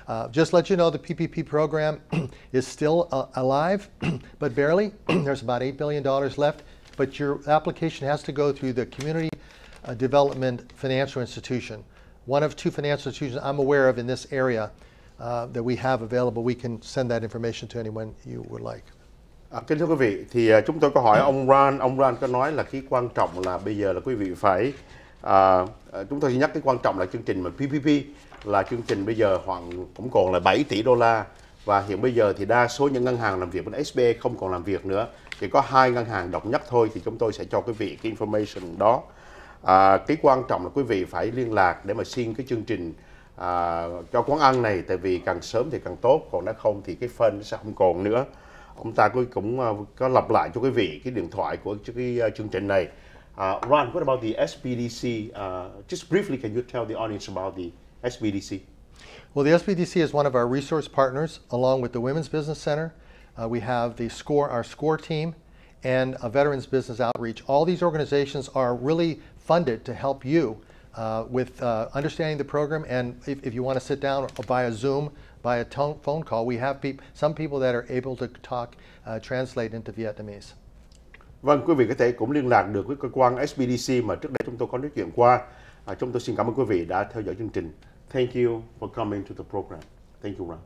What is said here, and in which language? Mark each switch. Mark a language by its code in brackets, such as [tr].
[en] Just let you know the PPP program is still alive, but barely. There's about $8 billion left, but your application has to go through the Community Development Financial Institution, one of two financial institutions I'm aware of in this area that we have available. We can send that information to anyone you would like. [vi] Kính thưa quý vị, thì chúng tôi có hỏi ông Ron. Ông Ron có nói là cái quan trọng là bây giờ là quý vị phải, chúng tôi nhắc cái quan trọng là chương trình mà PPP là chương trình bây giờ khoảng cũng còn là 7 tỷ đô la, và hiện bây giờ thì đa số những ngân hàng làm việc bên SBA không còn làm việc nữa, chỉ có hai ngân hàng độc nhất thôi, thì chúng tôi sẽ cho quý vị cái information đó. Cái quan trọng là quý vị phải liên lạc để mà xin cái chương trình cho quán ăn này, tại vì càng sớm thì càng tốt, còn nếu không thì cái phần sẽ không còn nữa. Ông ta cũng có lặp lại cho quý vị cái điện thoại của cái chương trình này. [en] Ron, what about the SBDC? Just briefly, can you tell the audience about the SBDC? Well, the SBDC is one of our resource partners, along with the Women's Business Center. We have the SCORE, our SCORE team, and a Veterans Business Outreach. All these organizations are really funded to help you with understanding the program, and if you want to sit down via Zoom, by a phone call, we have some people that are able to talk, translate into Vietnamese. [vi] Vâng, quý vị có thể cũng liên lạc được với cơ quan SBDC mà trước đây chúng tôi có nói chuyện qua. Chúng tôi xin cảm ơn quý vị đã theo dõi chương trình. [en] Thank you for coming to the program. Thank you, Ron.